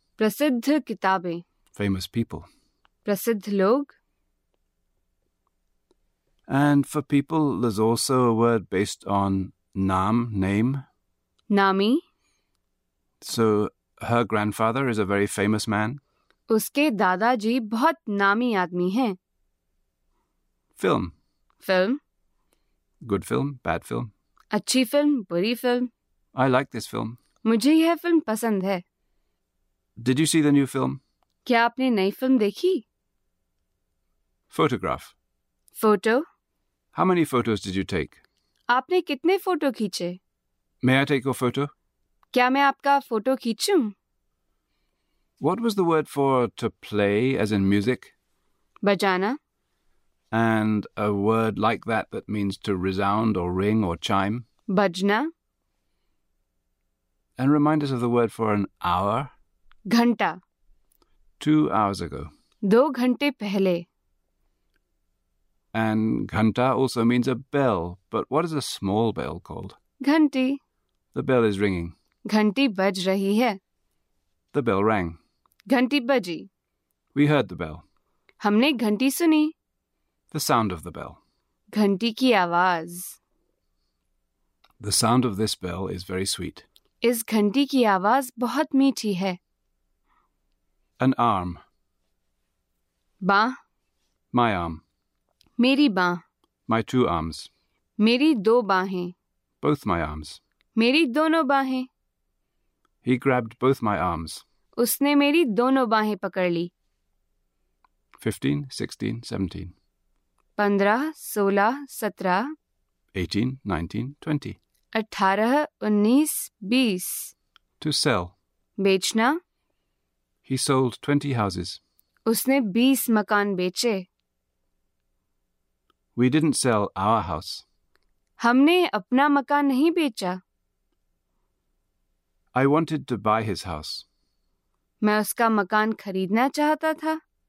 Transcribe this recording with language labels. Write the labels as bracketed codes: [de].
[hi] प्रसिद्ध किताबें [en] famous people [hi] प्रसिद्ध लोग [en] and for people there's also a word based on naam name [hi] नामी [en] so her grandfather is a very famous man [hi] उसके दादाजी बहुत नामी आदमी हैं [en] film film good film bad film [hi] अच्छी फिल्म बुरी film [en] I like this film. [hi] मुझे यह फिल्म पसंद है. [en] Did you see the new film? [hi] क्या आपने नई फिल्म देखी? [en] Photograph. Photo. How many photos did you take? [hi] आपने कितने फोटो खींचे? [en] May I take your photo? [hi] क्या मैं आपका photo खींचूं? [en] What was the word for to play, as in music? [hi] बजाना. [en] And a word like that that means to resound or ring or chime? [hi] Bazna. [en] And remind us of the word for an hour. [hi] घंटा. [en] 2 hours ago. [hi] दो घंटे पहले. [en] And घंटा also means a bell, but what is a small bell called? [hi] घंटी. [en] The bell is ringing. [hi] घंटी बज रही है. [en] The bell rang. [hi] घंटी बजी. [en] We heard the bell. [hi] हमने घंटी सुनी. [en] The sound of the bell. [hi] घंटी की आवाज. [en] The sound of this bell is very sweet. [hi] इस घंटी की आवाज बहुत मीठी है. [en] An arm. [hi] बांह. [en] My arm. [hi] मेरी बांह. [en] My two arms. [hi] मेरी दो बांहें. [en] Both my arms. [hi] मेरी दोनों बांहें. [en] He grabbed both my arms. [hi] उसने मेरी दोनों बांहें पकड़ ली. [en] 15, 16, 17. [hi] 15, 16, 17. [en] 18, 19, 20. [hi] 18, 19, 20. [en] To sell. [hi] बेचना. [en] He sold 20 houses. [hi] उसने 20 मकान बेचे. [en] We didn't sell our house. [hi] हमने अपना मकान नहीं बेचा. [en] I wanted to buy his house. [hi] मैं उसका मकान खरीदना चाहता था.